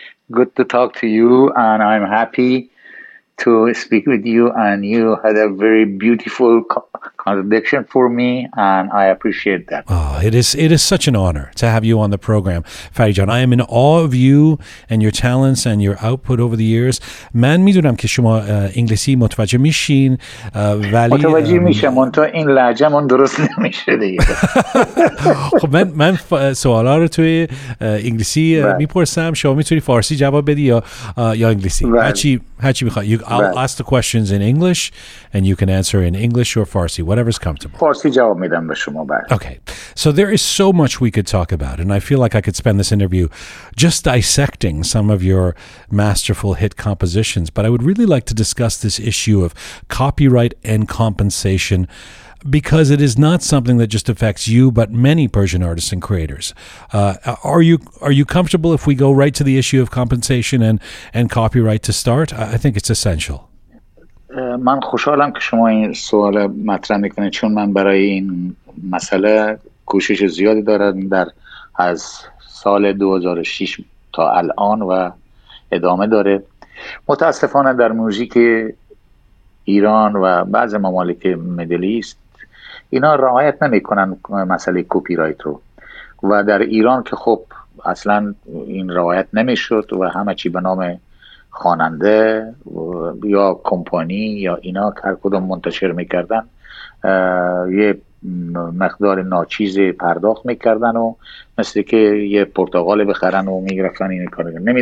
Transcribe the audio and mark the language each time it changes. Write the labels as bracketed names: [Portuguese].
[English] Good to talk to you, and I'm happy to speak with you. And you had a very beautiful contradiction for me, and I appreciate that. Oh, it is such an honor to have you on the program, Farid Zoland. I am in awe of you and your talents and your output over the years. [Persian] Man میدونم که شما انگلیسی متوجه میشین ولی متوجه میشم اون تو این لهجهمون درست نمیشه دیگه. خب من سوالا رو توی انگلیسی میپرسم، شما میتونی فارسی جواب بدی یا انگلیسی، هرچی میخوای. [English] I'll ask the questions in English and you can answer in English or Farsi, whatever's comfortable. [Persian] Farsi جواب میدم به شما. [English] Okay. So there is so much we could talk about, and I feel like I could spend this interview just dissecting some of your masterful hit compositions, but I would really like to discuss this issue of copyright and compensation, because it is not something that just affects you, but many Persian artists and creators. Are you comfortable if we go right to the issue of compensation and copyright to start? I think it's essential. [Persian] من خوشحالم که شما این سوال مطرح میکنید، چون من برای این مسئله کوشش زیادی دارم در از سال 2006 تا الان و ادامه داره. متاسفانه در موزیک ایران و بعضی ممالک مدل ایست اینا رعایت نمی کنن مسئله کپی رایت رو، و در ایران که خب اصلا این رعایت نمی شد و همه چی به نام خواننده یا کمپانی یا اینا هر کدوم منتشر می کردن یه مقدار ناچیز پرداخت می کردن و مثل که یه پرتغال بخرن و می گرفتن این کار رو.